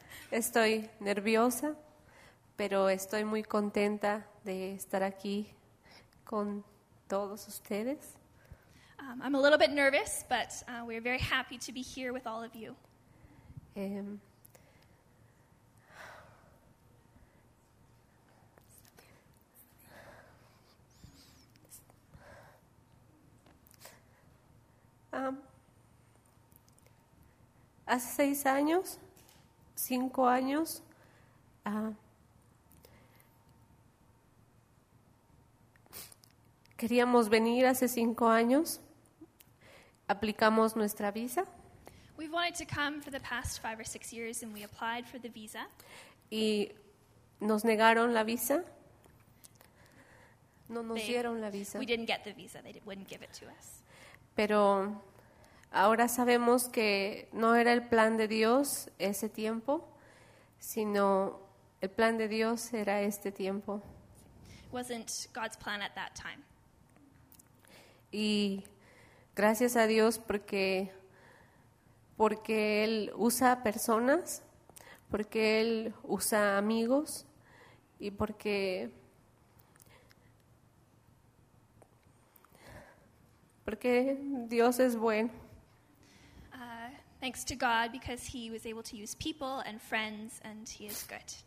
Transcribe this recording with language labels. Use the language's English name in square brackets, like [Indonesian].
[Spanish] Estoy nerviosa, pero estoy muy contenta de estar aquí con todos ustedes. [English] I'm a little bit nervous, but we're very happy to be here with all of you. [Spanish] Hace 6 años... 5 años, queríamos venir hace 5 años, aplicamos nuestra visa. [English] We've wanted to come for the past 5 or 6 years and we applied for the visa. [Spanish] Y nos negaron la visa, no nos dieron la visa. [English] We didn't get the visa, they wouldn't give it to us. [Spanish] Pero ahora sabemos que no era el plan de Dios ese tiempo, sino el plan de Dios era este tiempo. [English] Wasn't God's plan at that time. [Spanish] Y gracias a Dios porque Él usa personas, porque Él usa amigos y porque Dios es bueno. [English] Thanks to God, because he was able to use people and friends, and he is good.